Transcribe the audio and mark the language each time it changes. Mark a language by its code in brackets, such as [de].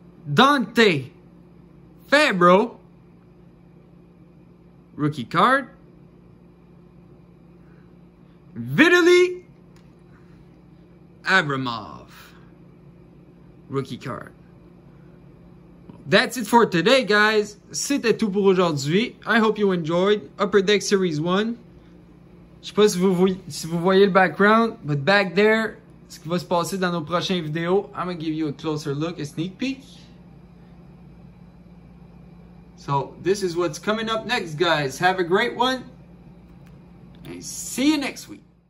[en] Dante Fabro, rookie card. Vitaly Abramov, rookie card. That's it for today, guys. [fr] C'était tout pour aujourd'hui. [en] I hope you enjoyed Upper Deck Series 1. [fr] Je sais pas si vous voyez le background, [en] but back there, [fr] ce qui va se passer dans nos prochaines vidéos, [en] I'm going to give you a closer look, a sneak peek. So, this is what's coming up next, guys. Have a great one, and see you next week.